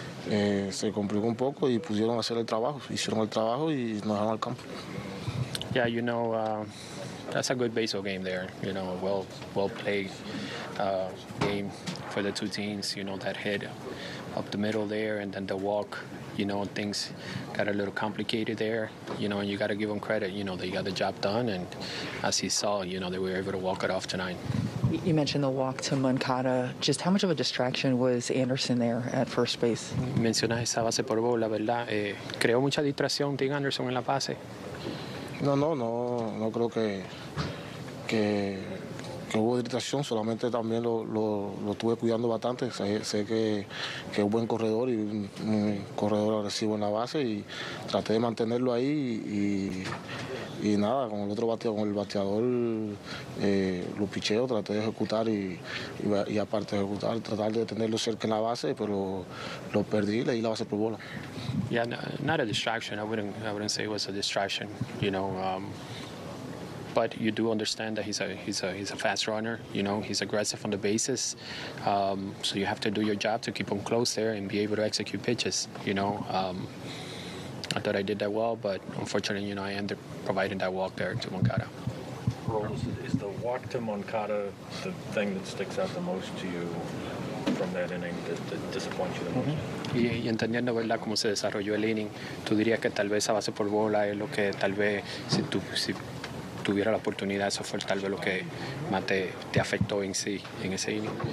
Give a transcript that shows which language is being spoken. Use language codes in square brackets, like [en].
[es] Se complicó un poco y pudieron hacer el trabajo, hicieron el trabajo y nos dejaron al campo. [en] Yeah, you know, that's a good baseball game there, you know, a well played game for the two teams, you know, that hit up the middle there and then the walk, you know, things got a little complicated there, you know, and you got to give them credit, you know, they got the job done and as he saw, you know, they were able to walk it off tonight. You mentioned the walk to Moncada. Just how much of a distraction was Anderson there at first base? [es] Mencionas esa base por bola, ¿verdad? Creo mucha distracción tiene Anderson en la base. No creo que hubo distracción, solamente también lo estuve cuidando bastante. Sé que es un buen corredor y un corredor agresivo en la base y traté de mantenerlo ahí y nada, con el otro bateador, con el bateador lo picheo, traté de ejecutar y aparte de ejecutar, tratar de tenerlo cerca en la base, pero lo perdí, leí la base por bola. [en] Yeah, not a distraction. I wouldn't say it was a distraction, you know. But you do understand that he's a fast runner. You know, he's aggressive on the bases. So you have to do your job to keep him close there and be able to execute pitches. You know, I thought I did that well, but unfortunately, you know, I ended up providing that walk there to Moncada. Is the walk to Moncada the thing that sticks out the most to you from that inning that disappoints you the most? Mm-hmm. [es] Y entendiendo, ¿verdad?, cómo se desarrolló el inning, tú dirías que tal vez a base por bola es lo que tal vez, si tuviera la oportunidad, eso fue tal vez lo que más te afectó en sí, en ese inning.